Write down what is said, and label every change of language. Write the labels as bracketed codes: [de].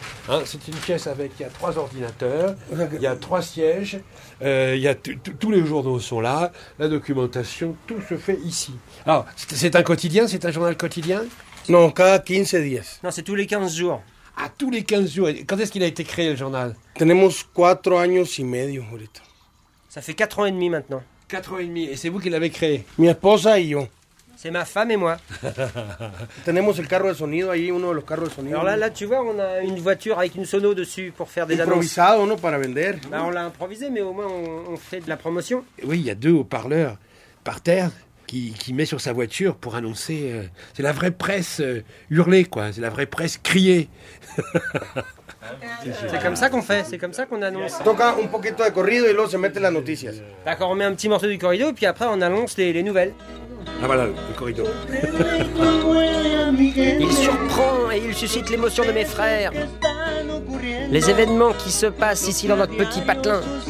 [fr] Hein, c'est une pièce avec, il y a trois ordinateurs, il y a trois sièges, il y a tous les journaux sont là, la documentation, tout se fait ici. Alors, c'est un quotidien, c'est un journal quotidien ? [es] Non, cada 15 días. [fr] Non, c'est tous les 15 jours. Ah, tous les 15 jours. Quand est-ce qu'il a été créé, le journal ? [es] Tenemos 4 años y medio, ahorita. [fr] Ça fait 4 ans et demi maintenant. 4 ans et demi, et c'est vous qui l'avez créé ? [es] Mi esposa y yo. [fr] C'est ma femme et moi. [es] Tenemos el carro de sonido ahí, uno de los carros de sonido. [fr] Alors là, tu vois, on a une voiture avec une sono dessus pour faire des annonces. [es] Improvisado, ¿no? Para vender. [fr] Bah, on l'a improvisé, mais au moins, on fait de la promotion. Oui, il y a deux haut-parleurs par terre qui met sur sa voiture pour annoncer. C'est la vraie presse hurlée, quoi. C'est la vraie presse criée. C'est comme ça qu'on fait, c'est comme ça qu'on annonce. [es] Toca un poquito de corrido y luego se mete las noticias. [fr] D'accord, on met un petit morceau du corrido et puis après, on annonce les nouvelles. Ah voilà, le corrido. Il surprend et il suscite l'émotion de mes frères. Les événements qui se passent ici dans notre petit patelin.